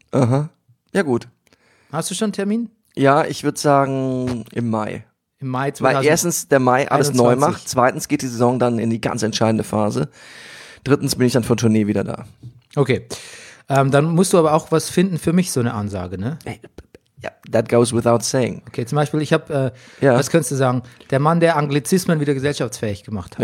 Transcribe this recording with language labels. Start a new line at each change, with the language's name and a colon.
German: Aha. Ja, gut. Hast du schon einen Termin? Ja, ich würde sagen im Mai. Im Mai 2020. Weil erstens der Mai alles 21. neu macht. Zweitens geht die Saison dann in die ganz entscheidende Phase. Drittens bin ich dann von Tournee wieder da. Okay. Dann musst du aber auch was finden für mich, so eine Ansage, ne? Ey, ja,
English: that goes without saying.
German: Okay, zum Beispiel, ich habe, was könntest du sagen? Der Mann, der Anglizismen wieder gesellschaftsfähig gemacht hat,